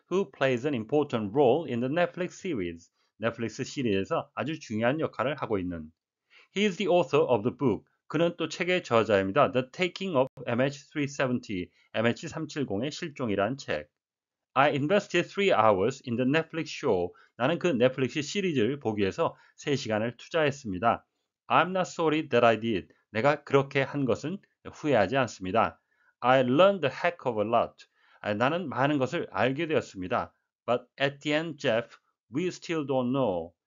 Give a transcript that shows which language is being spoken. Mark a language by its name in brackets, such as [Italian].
[English] Who plays an important role in the Netflix series. [Korean] Netflix 시리즈에서 아주 중요한 역할을 하고 있는. [English] He is the author of the book. [Korean] 그는 또 책의 저자입니다. The Taking of MH370, MH370의 실종이란 책. [English] I invested 3 hours in the Netflix show. [Korean] 나는 그 Netflix 시리즈를 보기 위해서 3시간을 투자했습니다. [English] I'm not sorry that I did. [Korean] 내가 그렇게 한 것은 후회하지 않습니다. [English] I learned a heck of a lot. [Korean] 나는 많은 것을 알게 되었습니다. [English] But at the end, Jeff, we still don't know.